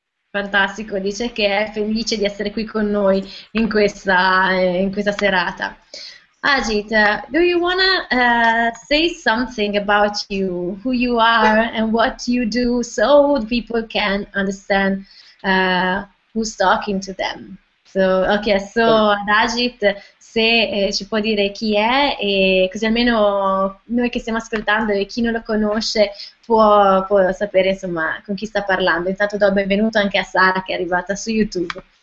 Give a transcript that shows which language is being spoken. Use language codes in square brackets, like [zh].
[it] Fantastico, dice che è felice di essere qui con noi in questa serata. [en] Ajit, do you want to say something about you, who you are and what you do, so people can understand who's talking to them? [it] So ad Ajit, se ci può dire chi è, e così almeno noi che stiamo ascoltando e chi non lo conosce può sapere insomma con chi sta parlando. Intanto do il benvenuto anche a Sara che è arrivata su YouTube.